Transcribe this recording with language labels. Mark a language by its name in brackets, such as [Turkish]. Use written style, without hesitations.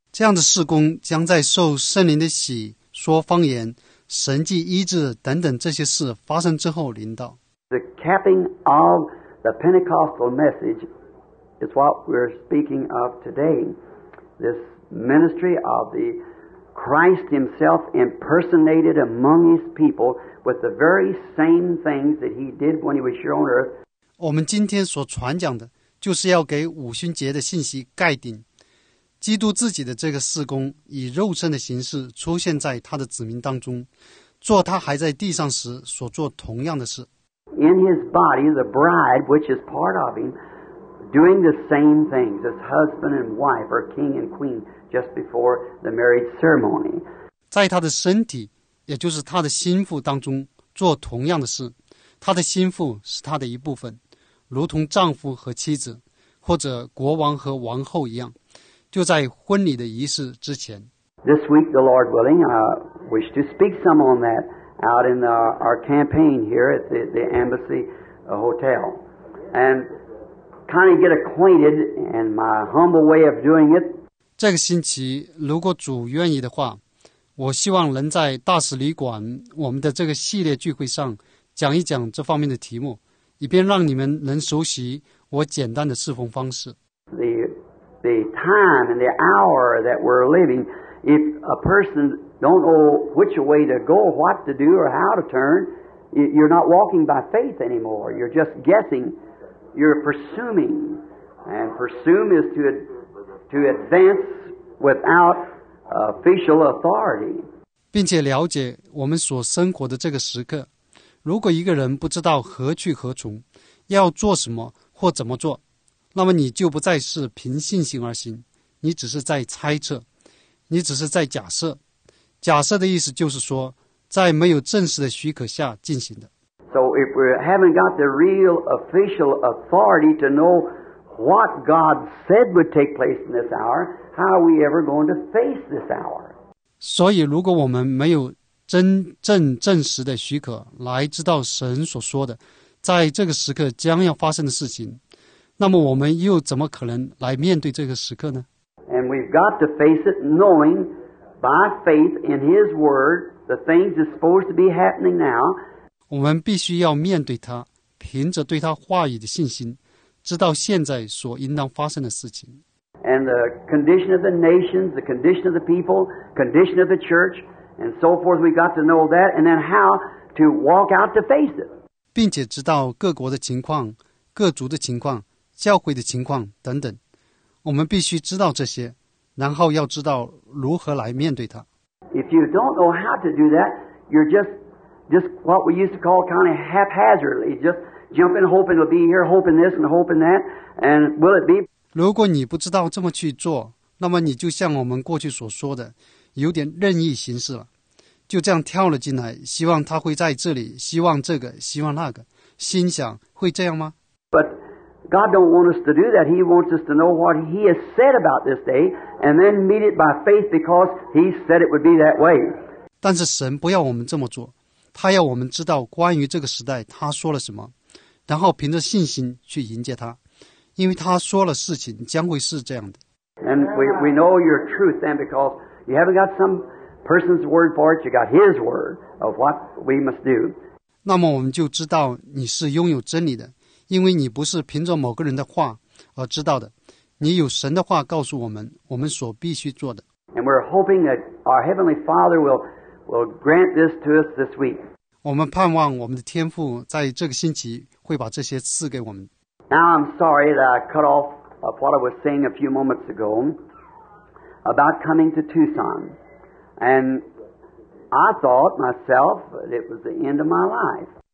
[Chinese] 这样的事工将在受圣灵的洗、说方言、神迹医治等等这些事发生之后临到。 [English] The capping of the Pentecostal message is what we're speaking of today. This ministry of the Christ himself impersonated among his people with the very same things that he did when he was here on earth. [Chinese] 我们今天所传讲的就是要给五旬节的信息盖顶。基督自己的这个事工以肉身的形式出现在他的子民当中，做他还在地上时所做同样的事。 [English] In his body, the bride, which is part of him, doing the same things as husband and wife or king and queen just before the marriage ceremony. [Chinese] 在他的身体，也就是他的心腹当中做同样的事。他的心腹是他的一部分，如同丈夫和妻子，或者国王和王后一样。就在婚礼的仪式之前。 [English] This week, the Lord willing, I wish to speak some on that out in our campaign here at the Embassy Hotel. And kind of get acquainted in my humble way of doing it. [Chinese] 这个星期，如果主愿意的话，我希望能在大使旅馆我们的这个系列聚会上讲一讲这方面的题目，以便让你们能熟悉我简单的侍奉方式。 [English] The time and the hour that we're living, if a person don't know which way to go, what to do, or how to turn, you're not walking by faith anymore. You're just guessing. You're presuming. And presume is to advance without official authority. [Chinese] 并且了解我们所生活的这个时刻。如果一个人不知道何去何从，要做什么或怎么做，那么你就不再是凭信心而行，你只是在猜测，你只是在假设。假设的意思就是说，在没有正式的许可下进行的。 [English] So if we haven't got the real official authority to know what God said would take place in this hour, how are we ever going to face this hour? [Chinese] 所以如果我们没有真正证实的许可来知道神所说的在这个时刻将要发生的事情，那么我们又怎么可能来面对这个时刻呢？ [English] And we've got to face it knowing by faith in His Word the things that's supposed to be happening now. [Chinese] 我们必须要面对它，凭着对它话语的信心，知道现在所应当发生的事情。 [English] And the condition of the nations, the condition of the people, condition of the church, and so forth, we've got to know that, and then how to walk out to face it. [Chinese] 并且知道各国的情况，各族的情况，教会的情况等等，我们必须知道这些，然后要知道如何来面对它。 [English] If you don't know how to do that, you're just what we used to call kind of haphazardly, just jumping, hoping it'll be here, hoping this and hoping that, and will it be? [Chinese] 如果你不知道这么去做，那么你就像我们过去所说的，有点任意行事了，就这样跳了进来，希望他会在这里，希望这个，希望那个，心想会这样吗？ [English] But,God don't want us to do that. He wants us to know what He has said about this day and then meet it by faith because He said it would be that way. [Chinese] 但是神不要我们这么做，他要我们知道关于这个时代他说了什么，然后凭着信心去迎接他，因为他说了事情将会是这样的。 [English] And we know your truth then because you haven't got some person's word for it, you got His word of what we must do. [Chinese] 那么我们就知道你是拥有真理的，因为你不是凭着某个人的话而知道的，你有神的话告诉我们我们所必须做的。 [English] And we're hoping that our Heavenly Father will grant this to us this week. [Chinese] 我们盼望我们的天父在这个星期会把这些赐给我们。 [English] Now I'm sorry that I cut off of what I was saying a few moments ago about coming to Tucson. And I thought myself that it was the end of my life.